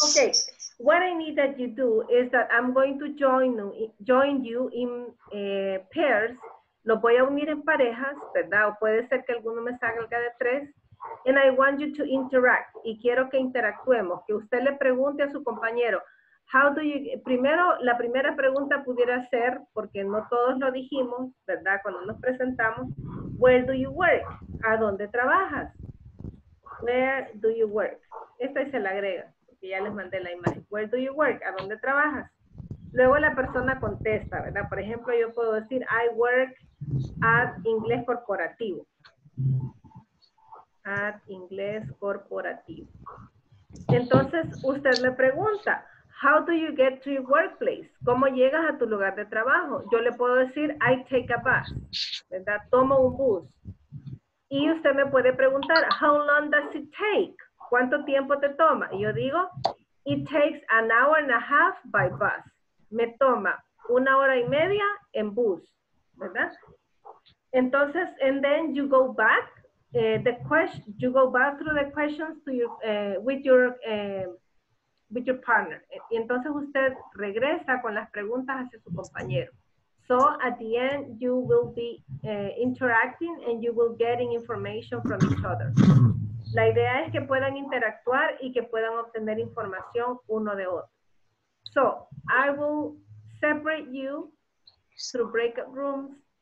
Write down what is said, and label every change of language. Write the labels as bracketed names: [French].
[English] Okay, what I need that you do is that I'm going to join you in pairs. [Spanish] Lo voy a unir en parejas, ¿verdad? O puede ser que alguno me salga de tres. [English] And I want you to interact. [Spanish] Y quiero que interactuemos. Que usted le pregunte a su compañero, [English] how do you... [Spanish] Primero, la primera pregunta pudiera ser, porque no todos lo dijimos, ¿verdad? Cuando nos presentamos, [English] where do you work? [Spanish] ¿A dónde trabajas? [English] Where do you work? [Spanish] Esta se la agrega, porque ya les mandé la imagen. [English] Where do you work? [Spanish] ¿A dónde trabajas? Luego la persona contesta, ¿verdad? Por ejemplo, yo puedo decir, [English] I work at Ingles Corporativo. [Spanish] At Ingles Corporativo. Entonces, usted le pregunta, how do you get to your workplace? ¿Cómo llegas a tu lugar de trabajo? Yo le puedo decir, [English] I take a bus, [Spanish] ¿verdad? Tomo un bus. Y usted me puede preguntar, [English] how long does it take? [Spanish] ¿Cuánto tiempo te toma? Y yo digo, [English] it takes an hour and a half by bus. [Spanish] Me toma una hora y media en bus, ¿verdad? [English] Entonces, and then you go back, you go back through the questions to your, with your partner. [Spanish] Y entonces usted regresa con las preguntas hacia su compañero. [English] So at the end, you will be interacting and you will getting information from each other. [Spanish] La idea es que puedan interactuar y que puedan obtener información uno de otro. [English] So I will separate you through breakout rooms.